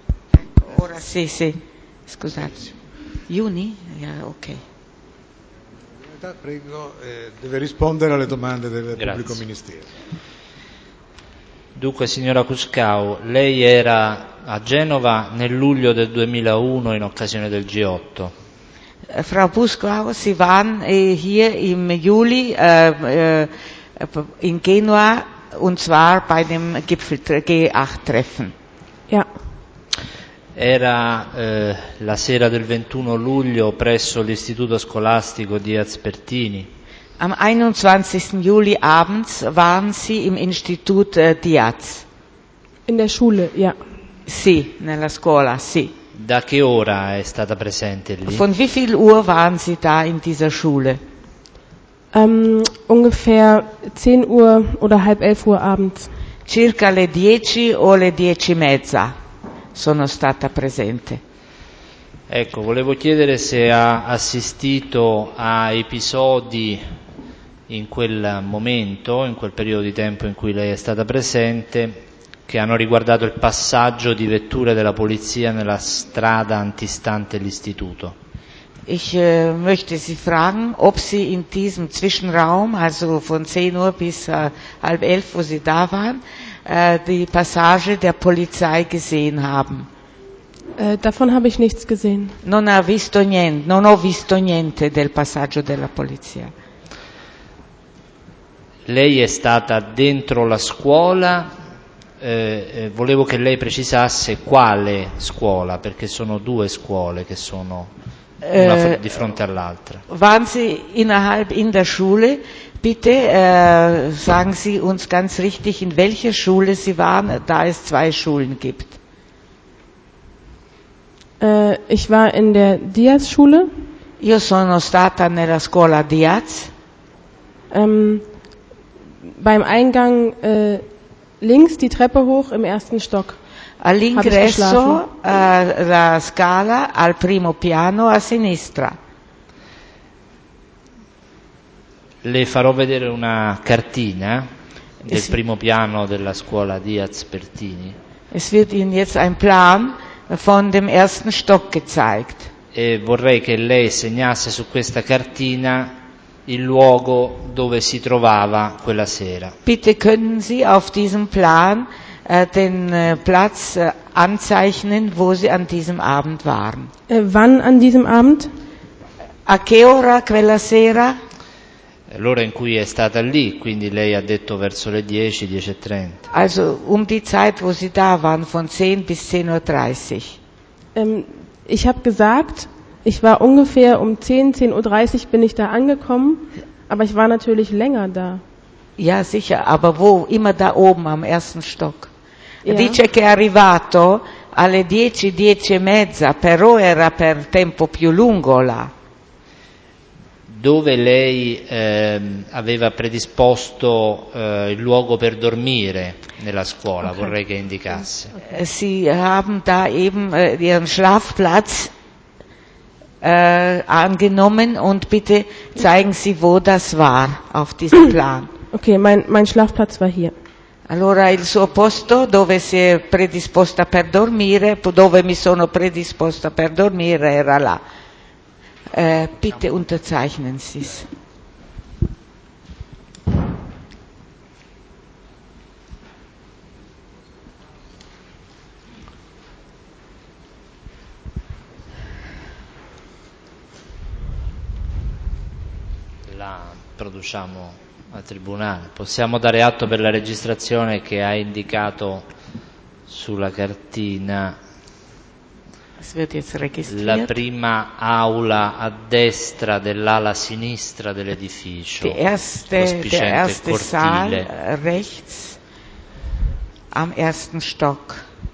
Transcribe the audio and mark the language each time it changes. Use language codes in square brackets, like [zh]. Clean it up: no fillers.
[it] Ecco, ora sì, sì. Scusate. Juni? Ok. Prego, deve rispondere alle domande del Grazie. Pubblico ministero. Dunque, signora Kutschbau, lei era a Genova nel luglio del 2001 in occasione del G8. [de] Frau Kutschbau, Sie waren hier im Juli in Genua und zwar bei dem G8-Treffen. Ja. [it] Era la sera del 21 luglio presso l'istituto scolastico Diaz Pertini. [de] Am 21. Juli abends waren Sie im Institut Diaz. In der Schule, ja. [it] Sì, nella scuola, sì. Da che ora è stata presente lì? [de] Von wie viel Uhr waren Sie da in dieser Schule? Ungefähr 10 Uhr oder halb 11 Uhr abends. [it] Circa le 10 o le 10 e mezza sono stata presente. Ecco, volevo chiedere se ha assistito a episodi in quel momento, in quel periodo di tempo in cui lei è stata presente, che hanno riguardato il passaggio di vetture della polizia nella strada antistante l'istituto. [de] Ich möchte Sie fragen, ob Sie in diesem Zwischenraum, also von 10 Uhr bis halb 11, wo Sie da waren, die Passage der Polizei gesehen haben. Davon habe ich nichts gesehen. [it] Non ho visto niente, non ho visto niente del passaggio della polizia. Lei è stata dentro la scuola. Volevo che lei precisasse quale scuola, perché sono due scuole che sono una di fronte all'altra. [de] Waren Sie innerhalb in der Schule? Bitte sagen Sie uns ganz richtig, in welcher Schule Sie waren, da es zwei Schulen gibt. Ich war in der Diaz-Schule. [it] Io sono stata nella scuola Diaz. [de] Beim Eingang links die Treppe hoch im ersten Stock. [it] All'ingresso la scala al primo piano a sinistra. Le farò vedere una cartina del primo piano della scuola Diaz Pertini. [de] Es wird Ihnen jetzt ein Plan von dem ersten Stock gezeigt. [it] E vorrei che lei segnasse su questa cartina il luogo dove si trovava quella sera. [de] Bitte können Sie auf diesem Plan den Platz anzeichnen, wo Sie an diesem Abend waren. Wann an diesem Abend? [it] A che ora quella sera? L'ora in cui è stata lì, quindi lei ha detto verso le 10, 10 e 30. [de] Also die Zeit, wo Sie da waren, von 10 bis 10.30 Uhr. Ich habe gesagt, ich war ungefähr 10, 10.30 Uhr bin ich da angekommen, aber ich war natürlich länger da. Ja, sicher, aber wo? Immer da oben am ersten Stock. Ja. [it] Dice che è arrivato alle 10, 10 e mezza, però era per tempo più lungo là. Dove lei aveva predisposto il luogo per dormire nella scuola, okay. Vorrei che indicasse. [de] Sie haben da eben ihren Schlafplatz angenommen und bitte zeigen Sie, wo das war auf diesem Plan. Okay, mein Schlafplatz war hier. [it] Allora il suo posto dove si è predisposta per dormire, dove mi sono predisposta per dormire era là. [de] Bitte unterzeichnen Sie es. [it] La produciamo al tribunale. Possiamo dare atto per la registrazione che ha indicato sulla cartina. [de] Es wird jetzt registriert. [it] La prima aula a destra dell'ala sinistra dell'edificio. [de] Der erste Saal rechts am ersten Stock.